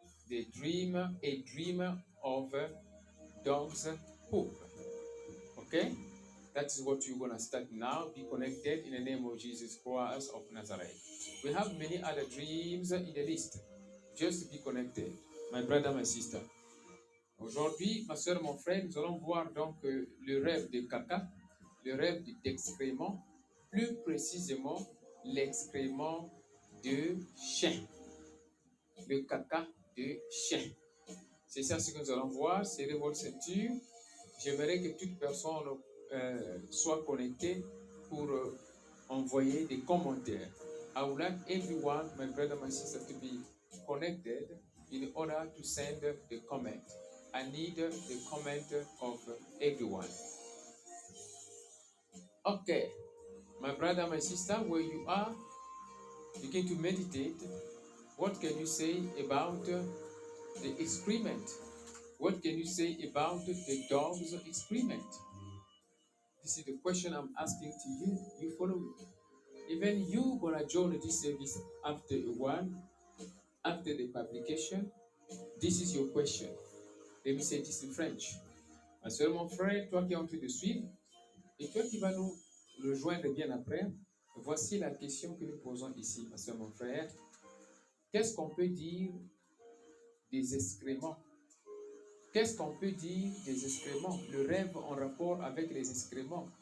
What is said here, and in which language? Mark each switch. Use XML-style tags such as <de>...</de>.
<en>A dream of dog's poop. Okay? That is what you're going to start now. Be connected in the name of Jesus Christ of Nazareth. We have many other dreams in the list. Just be connected, my brother, my sister.</en> <fr>Aujourd'hui, ma soeur, mon frère, nous allons voir donc le rêve de caca, le rêve d'excrément, plus précisément l'excrément de chien. Le caca de chien. C'est ça ce que nous allons voir, serrez votre ceinture. J'aimerais que toute personne soit connectée pour envoyer des commentaires.</fr> <en>I would like everyone, my brother, my sister, to be connected in order to send the comment. I need the comment of everyone. Okay, my brother, my sister, where you are, begin to meditate. What can you say about the excrement? What can you say about the dog's excrement? This is the question I'm asking to you. You follow me. Even you gonna join this service after a while, after the publication, this is your question. Let me say this in French.</en> <fr>Ma soeur, mon frère, toi qui es en train de suivre, et toi qui vas nous rejoindre bien après, voici la question que nous posons ici, ma soeur, mon frère. Qu'est-ce qu'on peut dire des excréments? Qu'est-ce qu'on peut dire des excréments? Le rêve en rapport avec les excréments.</fr>